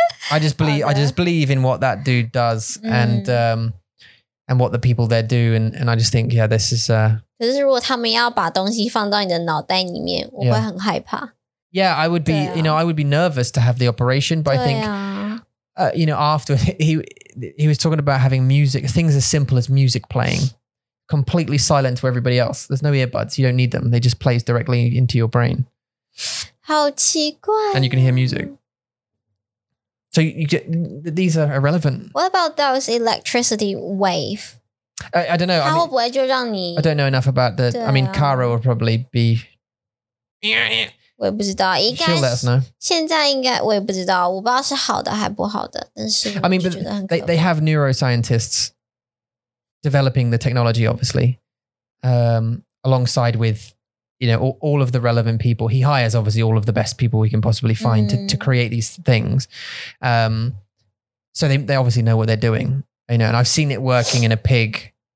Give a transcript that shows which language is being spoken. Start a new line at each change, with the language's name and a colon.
English: I just believe in what that dude does. And what the people there do. And I just think, yeah, this is...
Chinese: 可是如果他们要把东西放到你的脑袋里面, 我会很害怕。
English: Yeah, I would be, you know, I would be nervous to have the operation, but I think, you know, after he was talking about having music, things as simple as music playing, completely silent to everybody else. There's no earbuds. You don't need them. They just play directly into your brain.
Chinese: 好奇怪。
English: And you can hear music. So you get, these are irrelevant. What about those electricity wave? I don't know. I don't know enough about the... I mean, Caro would probably be...
Chinese: 我也不知道,
English: she'll let us know.
Chinese: 现在应该, 我也不知道, 我不知道是好的还不好的,
English: I mean, but they have neuroscientists developing the technology, obviously, alongside with you know, all of the relevant people. He hires obviously all of the best people we can possibly find to create these things. So they obviously know what they're doing, you know, and I've seen it working in a pig.